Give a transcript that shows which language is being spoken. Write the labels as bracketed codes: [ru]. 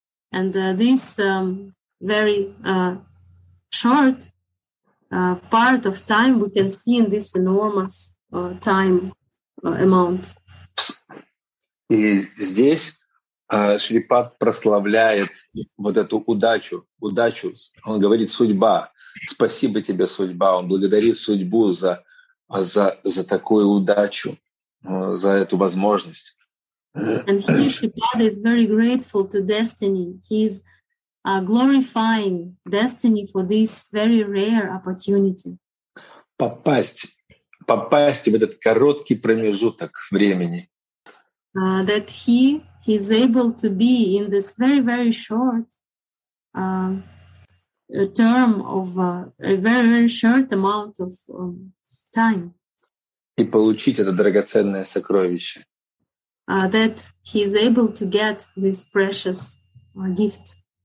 [en] And this very short part of time we can see in this enormous time amount. [ru] И здесь Шрипад прославляет вот эту удачу. Удачу. Он говорит: судьба. Спасибо тебе, судьба. Он благодарит судьбу за такую удачу, за эту возможность. [en] And he, Shripad, is very grateful to destiny. He's glorifying destiny for this very rare opportunity. [ru] Попасть в этот короткий промежуток времени. [en] That he is able to be in this very, very short term of a very, very short amount of time. [ru] И получить это драгоценное сокровище. [en] That he is able to get this precious gift.